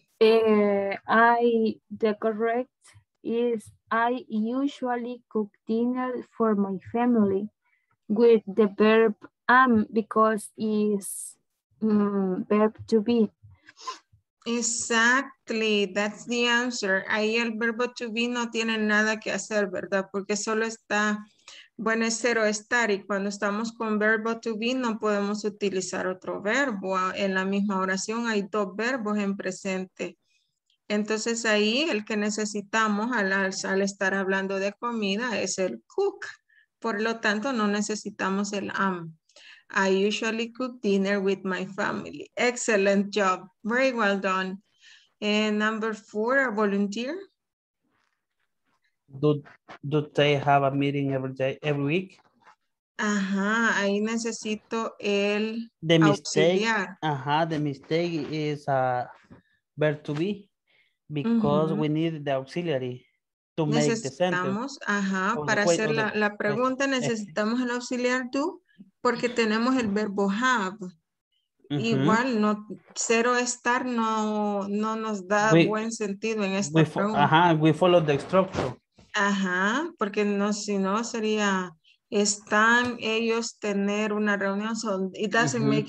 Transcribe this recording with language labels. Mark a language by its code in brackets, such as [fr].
[en] The correct is I usually cook dinner for my family with the verb am because is verb to be. Exactly, that's the answer. [es] Ahí el verbo to be no tiene nada que hacer, ¿verdad? Porque solo está, bueno, es ser o estar. Y cuando estamos con verbo to be, no podemos utilizar otro verbo. En la misma oración hay dos verbos en presente. Entonces ahí el que necesitamos al estar hablando de comida es el cook. Por lo tanto, no necesitamos el am. [en] I usually cook dinner with my family. Excellent job. Very well done. And number 4, a volunteer. Do they have a meeting every week? [es] Ajá, ahí necesito el [en] the auxiliar. Ajá, the mistake is a verb to be. Because mm-hmm. we need the auxiliary to make the sentence. [es] Necesitamos, ajá, para hacer la pregunta necesitamos el auxiliar do porque tenemos el verbo have. Mm-hmm. Igual, no, ser o estar no nos da buen sentido en esta pregunta. [en] Ajá, we follow the structure. [es] Ajá, porque no, si no sería, están ellos tener una reunión, [en] so it doesn't mm-hmm.